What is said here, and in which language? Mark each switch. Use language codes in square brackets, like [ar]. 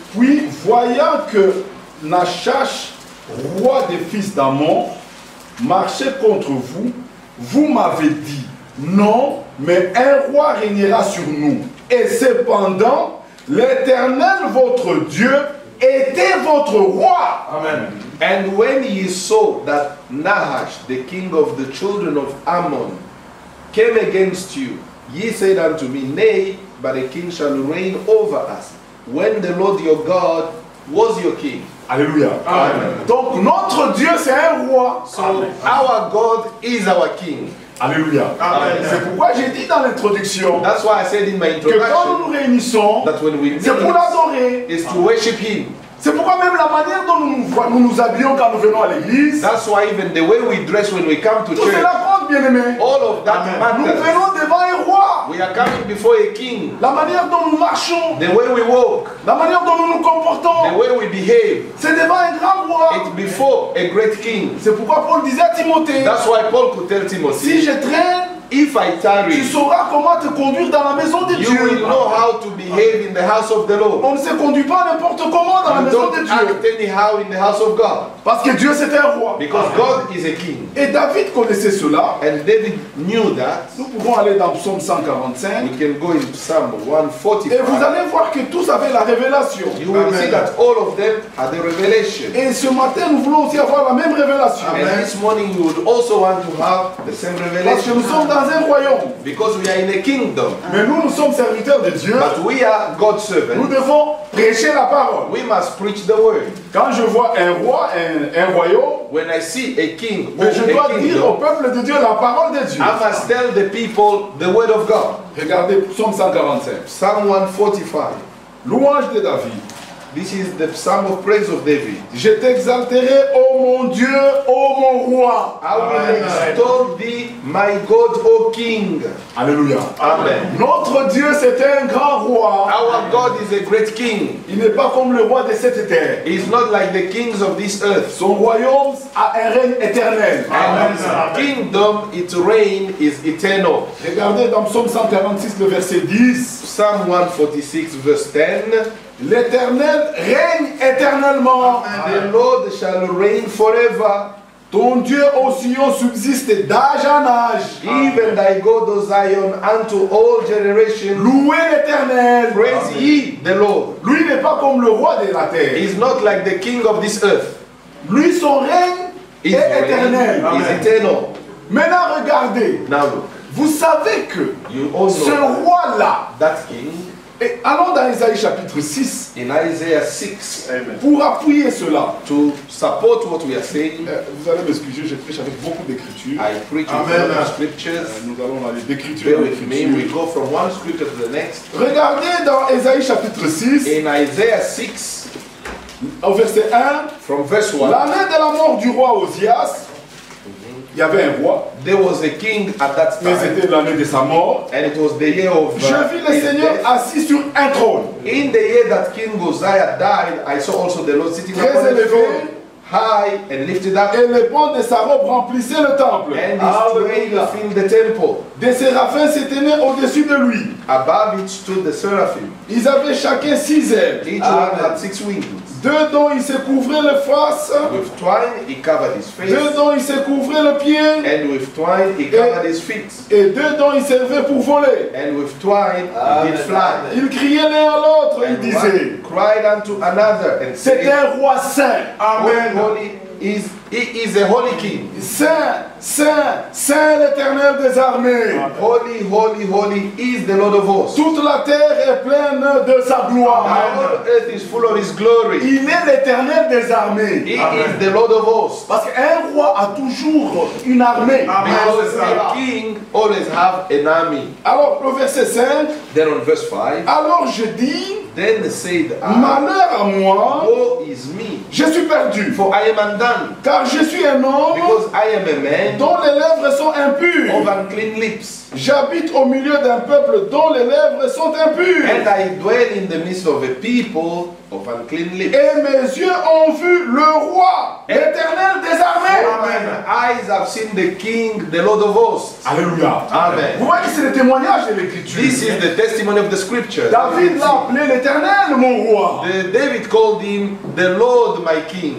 [fr] Puis, voyant que Nachash, roi des fils d'Ammon, marchait contre vous, vous m'avez dit, non, mais un roi régnera sur nous. Et cependant, l'Éternel, votre Dieu, était votre roi. Amen. [en] And when he saw that Nachash, the king of the children of Ammon, came against you, Ye said unto me, Nay, but a king shall reign over us. When the Lord your God was your king. Alléluia. Amen. [fr] Donc notre Dieu c'est un roi. [en] So our God is our king. Alléluia. Amen. [fr] C'est pourquoi j'ai dit dans l'introduction. [en] That's why I said in my introduction. [fr] Que quand nous nous réunissons, [en] that when we [fr] c'est pour l'adorer. [en] Is to worship him. [fr] C'est pourquoi même la manière dont nous nous habillons quand nous venons à l'église. [en] That's why even the way we dress when we come to [fr] tout [en] church. [fr] Tout cela compte, bien-aimé. [en] All of that matters. [fr] Nous venons devant un roi. [en] We are coming before a king. [fr] La manière dont nous marchons. [en] The way we walk. [fr] La manière dont nous nous comportons. [en] The way we behave. [fr] C'est devant un grand roi. [en] It's before a great king. [fr] C'est pourquoi Paul disait à Timothée. [en] That's why Paul could tell Timothy. [fr] Si je traîne. [en] If I tarry, [fr] tu sauras comment te conduire dans la maison de [en] Dieu. You will know how to behave in the house of the Lord. [fr] On ne se conduit pas n'importe comment dans la maison de Dieu. [en] Act anyhow in the house of God. [fr] Parce que Dieu c'est un roi. [en] Because God is a king. [fr] Et David connaissait cela. [en] And David knew that. [fr] Nous pouvons aller dans Psaume 145. [en] We can go in Psalm 145. [fr] Et vous allez voir que tous avaient la révélation. [en] You will see that all of them had the revelation. [fr] Et ce matin nous voulons aussi avoir la même révélation. [en] And this morning you would also want to have the same revelation. [fr] Parce que nous dans un royaume. [en] Because we are in a kingdom. [fr] Mais nous, nous sommes serviteurs de Dieu. [en] But we are God's servants. [fr] Nous devons prêcher la parole. [en] We must preach the word. [fr] Quand je vois un roi, un royaume, [en] when I see a king, [fr] mais je dois [en] a kingdom, [fr] dire au peuple de Dieu la parole de Dieu. [en] I must tell the people the word of God. [fr] Regardez Psaume 145. [en] Psalm 145. [fr] Louange de David. [en] This is the psalm of praise of David. [fr] Je t'exalterai, ô mon Dieu, ô mon roi. [en] I will extol thee, my God, ô king. Alléluia. Amen. [fr] Notre Dieu, c'est un grand roi. [en] Our God is a great king. [fr] Il n'est pas comme le roi de cette terre. [en] He is not like the kings of this earth. [fr] Son royaume a un règne éternel. [en] Amen. Kingdom, its reign is eternal. [fr] Regardez dans Psaume 146, le verset 10. [en] Psalm 146, verse 10. [fr] L'Éternel règne éternellement. [en] The Lord shall reign forever. [fr] Ton Dieu au Sion subsiste d'âge en âge. [en] Even thy God, O Zion, unto all generations. [fr] Louez l'Éternel. [en] Praise ye the Lord. [fr] Lui n'est pas comme le roi de la terre. [en] He is not like the king of this earth. [fr] Lui son règne [en] his [fr] est éternel. [en] Is eternal. [fr] Maintenant regardez. [en] Now look. [fr] Vous savez que ce roi là. [en] That king. [fr] Et allons dans Isaïe chapitre 6. [en] In Isaiah 6. [fr] Amen. Pour appuyer cela. [en] To support what we are saying. [fr] Vous allez m'excuser, je prêche avec beaucoup d'écritures. [en] I preach with Amen. Many scriptures. [fr] Nous allons aller d'écritures. [en] Bear with me. We go from one scripture to the next. [fr] Regardez dans Isaïe chapitre 6. [en] In Isaiah 6. [fr] Au verset 1. [en] From verse 1. [fr] L'année de la mort du roi Ozias. Il y avait un roi. [en] There was a king at that time. [fr] Mais c'était l'année de sa mort. [en] And it was the year of. [fr] Je vis le Seigneur assis sur un trône. [en] In the year that King Uzziah died, I saw also the Lord sitting [fr] très [en] upon [fr] élevé, [en] the throne, high and lifted up. [fr] Et les bandes de sa robe remplissaient le temple. [en] And his train filled the temple. [fr] Des séraphins s'étaient au-dessus de lui. [en] Above it stood the seraphim. [fr] Ils avaient chacun six ailes. [en] Each one had six wings. [fr] Deux dont il se couvrait le face. [en] With twine he covered his face. [fr] Deux dont il se couvrait le pied. [en] And with twine he covered his feet. [fr] Et deux dont il servait pour voler. [en] And with twine he did fly. [fr] Il criait l'un à l'autre, il disait. [en] One cried unto another and [fr] c'est [en] said, [fr] un roi saint. [en] Amen. Holy is he is a holy king. [fr] Saint, saint, saint l'Éternel des armées. [en] Holy, holy, holy is the Lord of hosts. [fr] Toute la terre est pleine de sa gloire. [en] The whole earth is full of his glory. [fr] Il est l'Éternel des armées. [en] He is the Lord of hosts. [fr] Parce qu'un roi a toujours une armée. [en] Amen. Because a king always have an army. [fr] Alors le verset 5. [en] Then on verse 5. [fr] Alors je dis. [en] Then said I. [fr] Malheur à moi. [en] Woe is me. [fr] Je suis perdu. [en] For I am undone. [fr] Car je suis un homme. [en] Because I am a man. [fr] Dont les lèvres sont impures. [en] Of unclean lips. [fr] J'habite au milieu d'un peuple dont les lèvres sont impures. [en] And I dwell in the midst of a people of unclean lips. [fr] Et mes yeux ont vu le roi, l'Éternel des armées. Amen. [en] Eyes have seen the King, the Lord of hosts. Alléluia. Amen. [fr] Vous voyez, c'est le témoignage de l'Écriture. [en] This is the testimony of the Scripture. [fr] David l'a appelé l'Éternel, mon roi. [en] The David called him the Lord, my King.